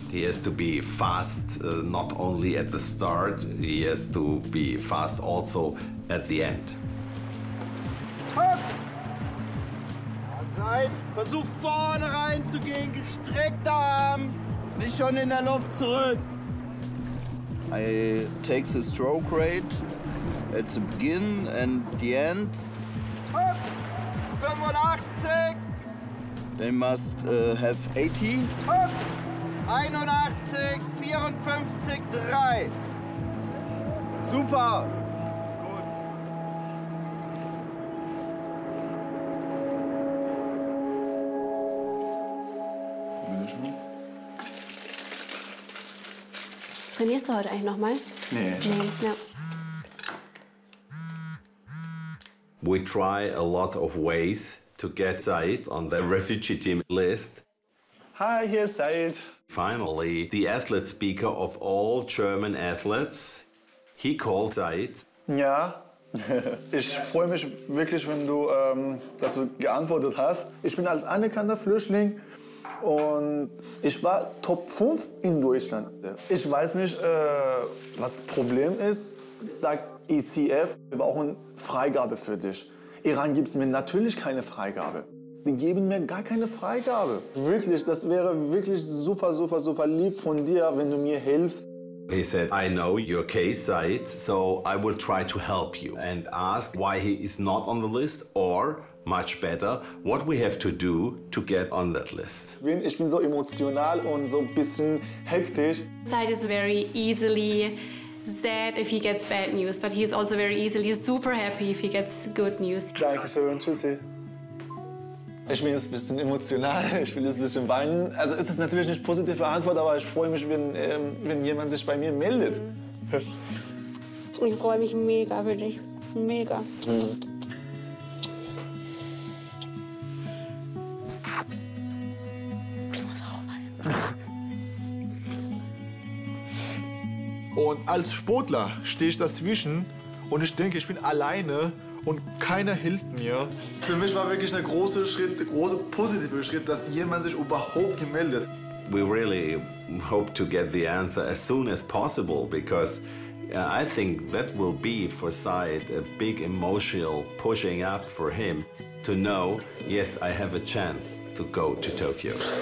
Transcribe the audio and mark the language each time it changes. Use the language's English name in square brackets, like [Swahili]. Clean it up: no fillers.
[English] He has to be fast, not only at the start, he has to be fast also at the end. [German] Nein, versuch vorne reinzugehen, gestreckter Arm, nicht schon in der Luft zurück. [English] I take the stroke rate at the begin and the end. 85. They must have 80. 81, 54, 3. Super. [German] Trainierst du heute eigentlich noch mal? Nee. [English] We try a lot of ways to get Saeid on the refugee team list. Hi, here's Saeid. Finally, the athlete speaker of all German athletes. He called Saeid. [German] Ja, ich freue mich wirklich, wenn du, dass du geantwortet hast. Ich bin als anerkannter Flüchtling. Und ich war Top 5 in Deutschland. Ich weiß nicht, was das Problem ist. Sagt ICF, wir brauchen Freigabe für dich. Iran gibt mir natürlich keine Freigabe. Die geben mir gar keine Freigabe. Wirklich, das wäre wirklich super, super, super lieb von dir, wenn du mir hilfst. [English] He said, I know your case, Saeid, so I will try to help you and ask why he is not on the list or much better, what we have to do to get on that list. [German] Ich bin so emotional und so ein bisschen hektisch. [English] Saeid is very easily sad if he gets bad news, but he is also very easily super happy if he gets good news. [German] Dankeschön, tschüssi. Ich bin jetzt ein bisschen emotional, ich will jetzt ein bisschen weinen. Also es ist natürlich nicht positive Antwort, aber ich freue mich, wenn jemand sich bei mir meldet. Mhm. Ich freue mich mega für dich, mega. Mhm. Und als Sportler stehe ich dazwischen und ich denke, ich bin alleine und keiner hilft mir. Für mich war wirklich ein großer Schritt, ein großer positiver Schritt, dass jemand sich überhaupt gemeldet. [English] We really hope to get the answer as soon as possible, because I think that will be for Saeid a big emotional pushing up for him to know, yes, I have a chance to go to Tokyo.